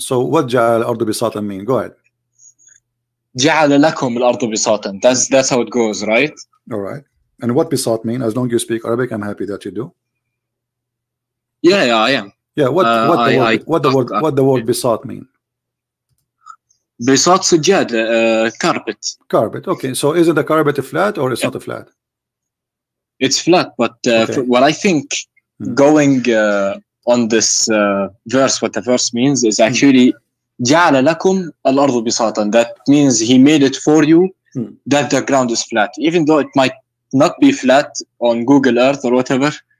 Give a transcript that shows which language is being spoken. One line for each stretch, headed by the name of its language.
English: So what
Arabic: جَعَلَ الْأَرْضُ بِسَاطًا
English: mean? Go ahead.
Arabic: جَعَلَ لَكُمْ الْأَرْضُ بِسَاطًا.
English: That's how it goes, right? All right. And what بِسَاط mean? As long as you speak Arabic, I'm happy that you do. Yeah, I am. Yeah, what the word بِسَاط mean?
Arabic: بِسَاط سجاد, carpet.
English: Carpet, okay. So isn't the carpet a flat or it's not a flat? It's flat, but what I think going on this verse, what the verse means is actually
Arabic: جَعَلَ لَكُمْ الْأَرْضُ بِسَاطًا.
English: That means he made it for you that the ground is flat, even though it might not be flat on Google Earth or whatever.